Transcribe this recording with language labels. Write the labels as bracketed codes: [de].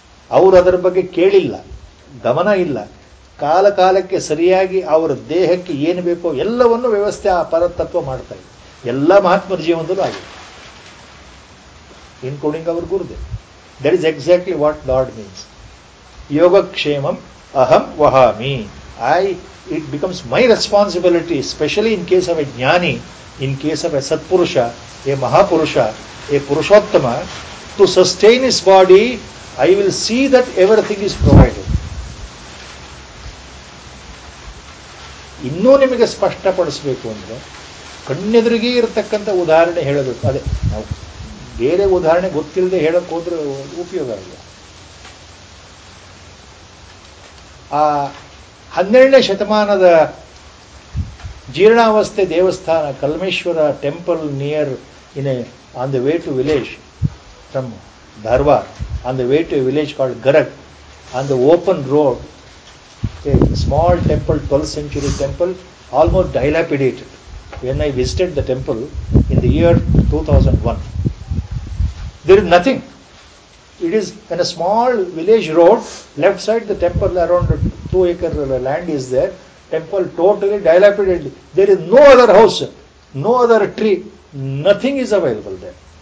[kn] ಅವರು ಅದರ ಬಗ್ಗೆ ಕೇಳಿಲ್ಲ, ಗಮನ ಇಲ್ಲ. ಕಾಲಕಾಲಕ್ಕೆ ಸರಿಯಾಗಿ ಅವರ ದೇಹಕ್ಕೆ ಏನು ಬೇಕೋ ಎಲ್ಲವನ್ನು ವ್ಯವಸ್ಥೆ ಆ ಪರತತ್ವ ಮಾಡ್ತಾ ಇದೆ. ಎಲ್ಲ ಮಹಾತ್ಮರ ಜೀವನದಲ್ಲೂ ಆಗಿದೆ, [en] Including our Gurudev. That is exactly what lord means, [sa] ಯೋಗಕ್ಷೇಮಂ ಅಹಂ ವಹಾಮಿ. [en] it becomes my responsibility, especially in case of a jnani, in case of a satpurusha, a mahapurusha, a purushottama, to sustain his body. I will see that everything is provided. [kn] ಇನ್ನೂ ನಿಮಗೆ ಸ್ಪಷ್ಟಪಡಿಸಬೇಕು ಅಂದರೆ ಕಣ್ಣೆದುರಿಗೆ ಇರತಕ್ಕಂಥ ಉದಾಹರಣೆ ಹೇಳೋದು. ಅದೇ ನಾವು ಬೇರೆ ಉದಾಹರಣೆ ಗೊತ್ತಿಲ್ಲದೆ ಹೇಳೋಕ್ಕೋದ್ರೆ ಉಪಯೋಗ ಆಗಿಲ್ಲ. ಆ 12ನೇ ಶತಮಾನದ ಜೀರ್ಣಾವಸ್ಥೆ ದೇವಸ್ಥಾನ [en] Kalmeshwara temple near in a on the way to village from Dharwad on the way to village called Garag on the open road a small temple, 12th century temple, almost dilapidated. When I visited the temple in the year 2001, there is nothing. It is in a small village road, left side the temple, around 2 acre land is there. Temple totally dilapidated. There is no other house, no other tree, nothing is available there.